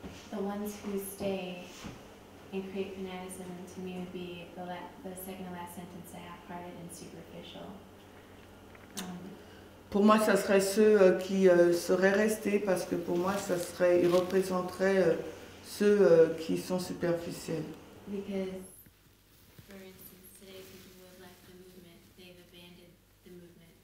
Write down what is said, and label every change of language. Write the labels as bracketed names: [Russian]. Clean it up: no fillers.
[English] The ones who stay and create fanaticism to me would be the second to last sentence, I have hearted and superficial. [French] Pour moi, ça serait ceux qui seraient restés parce que pour moi, ça serait, ils représenteraient ceux qui sont superficiels. [English] Because, for instance, today people who have left the movement, they've abandoned the movement.